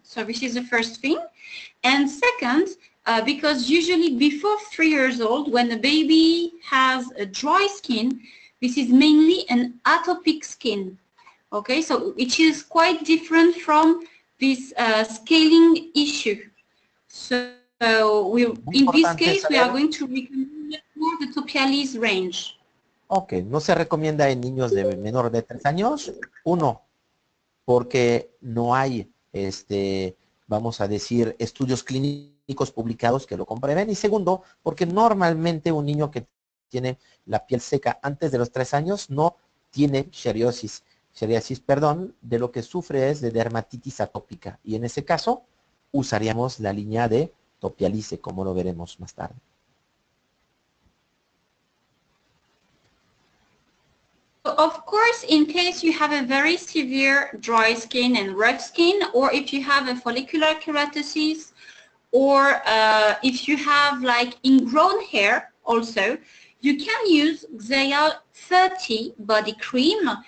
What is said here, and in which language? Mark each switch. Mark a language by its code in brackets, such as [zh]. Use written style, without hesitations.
[en] So this is the first thing. And second, because usually before 3 years old, when a baby has a dry skin, this is mainly an atopic skin. Okay, so it is quite different from this scaling issue. So we, in this case, we are going to recommend more the topialis range. [es] Okay, no se recomienda en niños de menor de 3 años. Uno, porque no hay, vamos a decir, estudios clínicos publicados que lo comprueben. Y segundo, porque normalmente un niño que tiene la piel seca antes de los 3 años no tiene psoriasis. Psoriasis, perdón, de lo que sufre es de dermatitis atópica. Y en ese caso, usaríamos la línea de topialice, como lo veremos más tarde. [en] Of course, in case you have a very severe dry skin and rough skin, or if you have a follicular keratosis, or if you have like ingrown hair also, you can use Xeya 30 body cream.